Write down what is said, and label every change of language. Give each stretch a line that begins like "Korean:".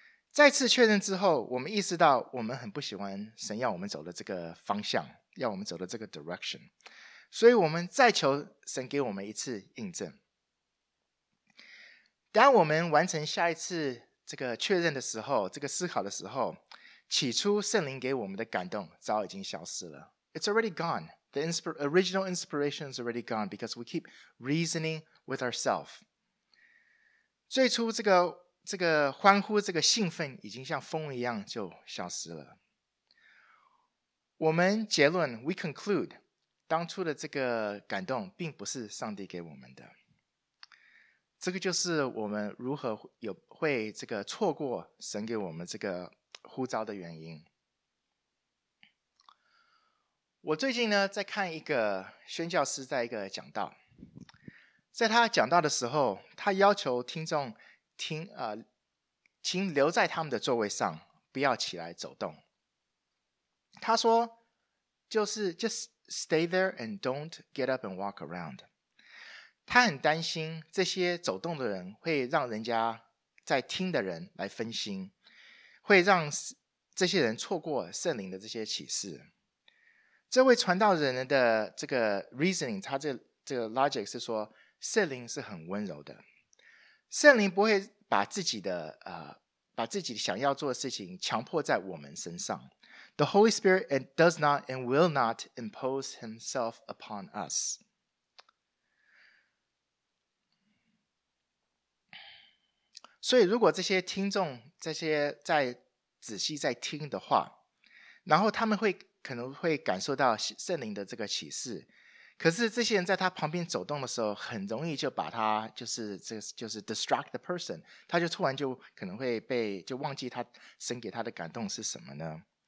Chinese: 再次确认之后，我们意识到我们很不喜欢神要我们走的这个方向，要我们走的这个 direction。所以我们再求神给我们一次印证。当我们完成下一次这个确认的时候，这个思考的时候，起初圣灵给我们的感动早已经消失了。
English: It's already gone. The original inspiration is already gone because we keep reasoning with ourselves.
Chinese: 最初这个欢呼，这个兴奋已经像风一样就消失了。我们结论 ,
English: we conclude,
Chinese: 当初的这个感动并不是上帝给我们的。这个就是我们如何会这个错过神给我们这个呼召的原因。我最近呢在看一个宣教师在一个讲道，在他讲道的时候，他要求听众请留在他们的座位上，不要起来走动。他说就是
English: Stay there and don't get up and walk around.
Chinese: 他很担心这些走动的人会让人家在听的人来分心，会让这些人错过圣灵的这些启示。这位传道人的这个 reasoning, 他这个 logic 是说，圣灵是很温柔的，圣灵不会把自己想要做的事情强迫在我们身上。
English: The Holy Spirit does not and will not impose himself upon us.
Chinese: 所以如果这些听众这些在仔细在听的话，然后他们会可能会感受到圣灵的这个启示，可是这些人在他旁边走动的时候，很容易就把他就是
English: distract the person,
Chinese: 他就突然就可能会被就忘记他神给他的感动是什么呢？